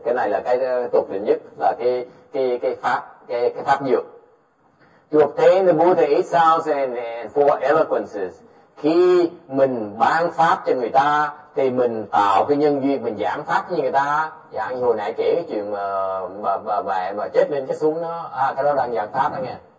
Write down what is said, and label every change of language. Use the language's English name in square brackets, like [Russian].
[Vietnamese] Cái này là cái tục định nhất, là cái pháp dược. [English] To obtain the Buddha eight sounds and four eloquences. [Vietnamese] Khi mình ban pháp cho người ta, thì mình tạo cái nhân duyên, mình giảng pháp với người ta. Dạng như hồi nãy kể cái chuyện mà chết lên chết xuống đó. Cái đó đang giảng pháp đó nghe.